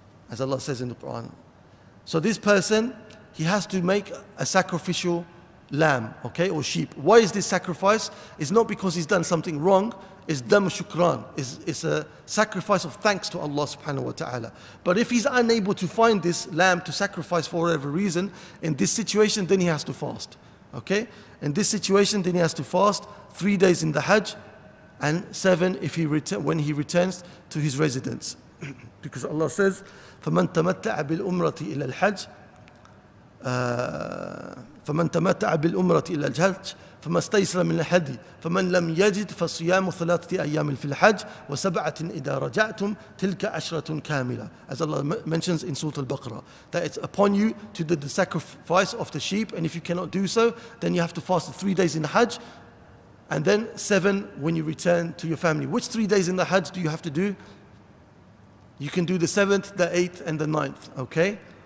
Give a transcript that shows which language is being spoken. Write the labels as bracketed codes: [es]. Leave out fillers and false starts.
[en] As Allah says in the Quran. So this person, he has to make a sacrificial lamb, okay, or sheep. Why is this sacrifice? It's not because he's done something wrong. It's dam shukran. It's a sacrifice of thanks to Allah subhanahu wa ta'ala. But if he's unable to find this lamb to sacrifice for whatever reason, in this situation, then he has to fast. Okay, in this situation, then he has to fast 3 days in the Hajj, and seven if he returns to his residence, because Allah says, [ar] "فَمَنْ تَمَتَّعَ بِالْأُمْرَةِ إِلَى الْحَجِّ فَمَنْ تَمَتَّعَ بِالْأُمْرَةِ إِلَى الْحَجِّ فَمَا اسْتَيْسَرَ مِنَ الْهَدْيِ فَمَنْ لَمْ يَجِدْ فَصِيَامُ ثَلَاثَةِ أَيَّامٍ فِي الْحَجِّ وَسَبْعَةٍ إِذَا رَجَعْتُمْ تِلْكَ عَشْرَةٌ كَامِلَةٌ. [en] As Allah mentions in Surah Al-Baqarah, that it's upon you to do the sacrifice of the sheep, and if you cannot do so, then you have to fast 3 days in the Hajj, and then seven when you return to your family. Which 3 days in the Hajj do you have to do? You can do the seventh, the eighth, and the ninth, okay?